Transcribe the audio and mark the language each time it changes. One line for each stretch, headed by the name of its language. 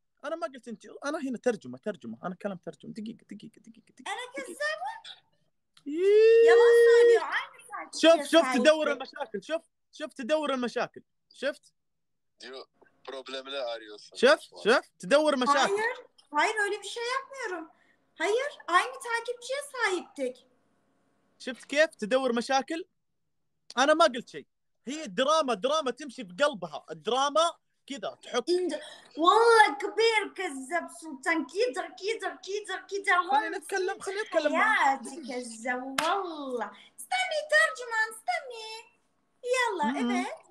Arabic: أنا ما قلت أنت، أنا هنا ترجمة ترجمة، أنا كلام ترجمة. دقيقة دقيقة دقيقة دقيقة. أنا كذابة؟ يلا شوف شوف تدور المشاكل، شوف شوف تدور المشاكل، شفت؟ problem لا أريوس. شوف شوف تدور مشاكل.
Turkish: Hayır hayır öyle bir şey yapmıyorum. Hayır aynı takipçiye sahiptik.
Arabic: شفت كيف تدور مشاكل؟ أنا ما قلت شيء. هي دراما دراما تمشي في قلبها الدراما كذا تحط. والله كبير كذاب سلطان كذا كذا كذا كذا. خلينا نتكلم خلينا نتكلم. يا دي كذاب والله. استني ترجمان استني. يلا